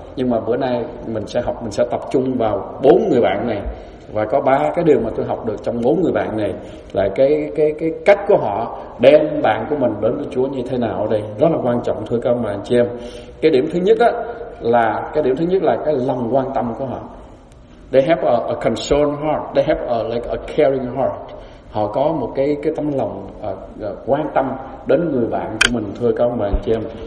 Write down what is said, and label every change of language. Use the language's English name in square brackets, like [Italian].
[Vietnamese] Nhưng mà bữa nay mình sẽ học, mình sẽ tập trung vào bốn người bạn này. Và có ba cái điều mà tôi học được trong bốn người bạn này là cái cách của họ đem bạn của mình đến với Chúa như thế nào. Đây rất là quan trọng thưa các ông bà anh chị em. Cái điểm thứ nhất á là cái lòng quan tâm của họ. [English] They have a concerned heart, they have a like a caring heart. [Vietnamese] Họ có một cái tấm lòng quan tâm đến người bạn của mình thưa các ông bà anh chị em.